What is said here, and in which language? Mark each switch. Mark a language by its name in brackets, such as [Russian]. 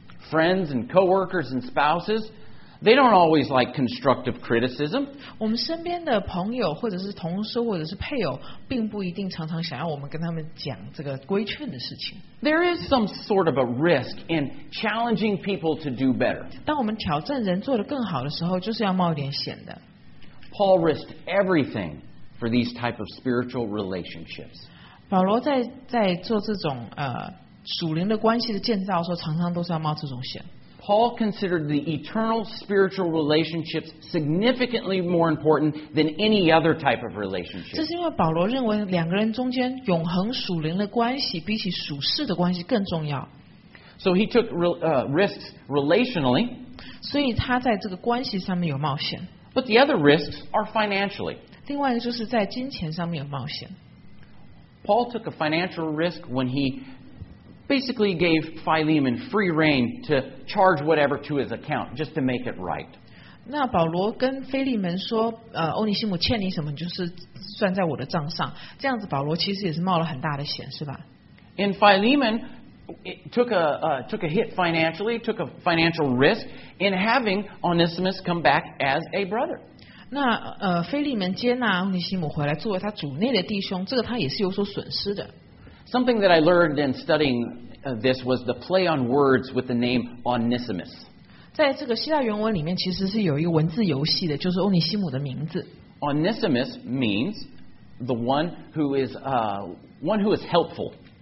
[English] Friends and coworkers and spouses, they don't always like constructive criticism. [Chinese] 我们身边的朋友或者是同事或者是配偶，并不一定常常想要我们跟他们讲这个规劝的事情。 [English] There is some sort of a risk in challenging people to do better. [Chinese] 当我们挑战人做得更好的时候，就是要冒点险的。 [English] Paul risked everything for these type of spiritual relationships. [Chinese] 保罗在做这种属灵的关系的建造的时候，常常都是要冒这种险。 [English] Paul considered the eternal spiritual relationships significantly more important than any other type of relationship. [Chinese] 这是因为保罗认为两个人中间永恒属灵的关系比起属世的关系更重要。 [English] So he took risks relationally. [Chinese] 所以他在这个关系上面有冒险。 [English] But the other risks are financially. [Chinese] 另外一个就是在金钱上面有冒险。 [English] Paul took a financial risk when he... basically gave Philemon free rein to charge whatever to his account just to make it right. [Chinese] 那保罗跟腓利门说，欧尼西姆欠你什么，就是算在我的账上。这样子，保罗其实也是冒了很大的险，是吧 [English] ？And Philemon took a hit financially, took a financial risk in having Onesimus come back as a brother. [Chinese] 那腓利门接纳欧尼西姆回来作为他主内的弟兄，这个他也是有所损失的。 [English] Something that I learned in studying this was the play on words with the name Onesimus. [Chinese] 在这个希腊原文里面，其实是有一个文字游戏的，就是欧尼西姆的名字。 [English] Onesimus means the one who is one who is helpful.